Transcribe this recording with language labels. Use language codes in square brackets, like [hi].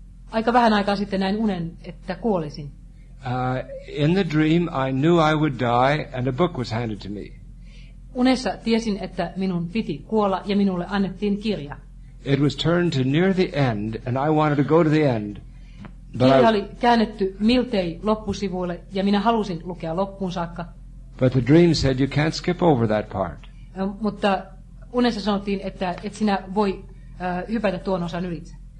[fi] Aika vähän aikaa sitten näin unen, että kuolisin. [en] In the dream, I knew I would die, and a book was handed to me. [fi] Unessa tiesin, että minun piti kuolla, ja minulle annettiin kirja. [en] It was turned to near the end, and I wanted to go to the end. [fi] Kirja oli käännetty miltei loppusivuille, ja minä halusin lukea loppuun saakka. [en] But the dream said you can't skip over that part. [fi] Mutta unessa sanottiin, että et sinä voi hypätä tuon osan ylitse.